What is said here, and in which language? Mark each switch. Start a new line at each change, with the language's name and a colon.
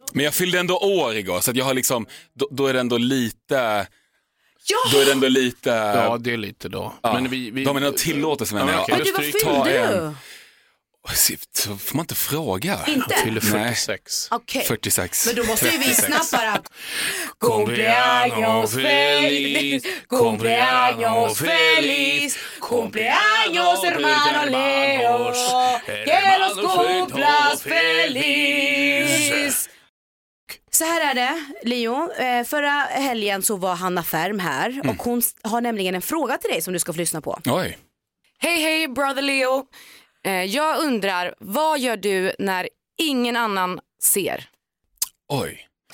Swedish: Men jag fyllde ändå år igår, så att jag har liksom, då är det ändå lite... Ja! Då är det ändå lite... Ja, det är lite då. Ja. Men vi... De är nog tillåtelse, menar jag. Okay. Vad fyllde du? Får man inte fråga? Inte? Jag fyller 46. Okay. 46. Men då måste vi snabbare.
Spanish: Cumpleaños feliz, cumpleaños feliz, cumpleaños hermano Leo, que los cumplas feliz.
Swedish: Så här är det, Leo. Förra helgen så var Hanna Färm här. Och hon har nämligen en fråga till dig som du ska få lyssna på. Oj. Hej, hej, brother Leo. Jag undrar, vad gör du när ingen annan ser? Oj.